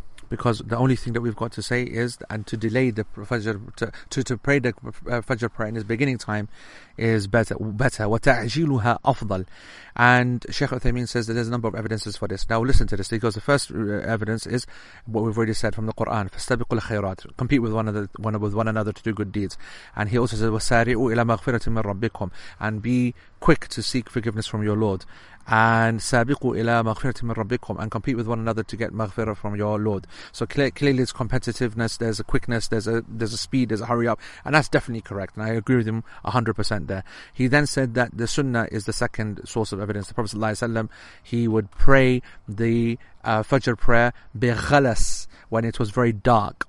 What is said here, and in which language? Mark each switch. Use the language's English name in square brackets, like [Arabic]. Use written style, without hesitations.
[English] Because the only thing that we've got to say is, and to delay the Fajr, to pray the Fajr prayer in its beginning time is better. [Arabic] وَتَعْجِيلُهَا أَفْضَلُ. [English] And Sheikh Uthaymeen says that there's a number of evidences for this. Now listen to this, because the first evidence is what we've already said from the Quran. [Arabic] فَاسْتَبِقُوا الْخَيْرَاتِ. [English] Compete with one another to do good deeds. And he also says, [Arabic] وَسَارِعُوا إِلَى مَغْفِرَةٍ مِّن رَبِّكُمْ. [English] And be quick to seek forgiveness from your Lord. And [Arabic] سابقوا إلى مغفرة من ربكم, [English] and compete with one another to get مغفرة from your Lord. So clearly there's competitiveness, there's a quickness, there's a speed, there's a hurry up, and that's definitely correct, and I agree with him 100% there. He then said that the sunnah is the second source of evidence. The Prophet ﷺ, he would pray the Fajr prayer بغلس, when it was very dark.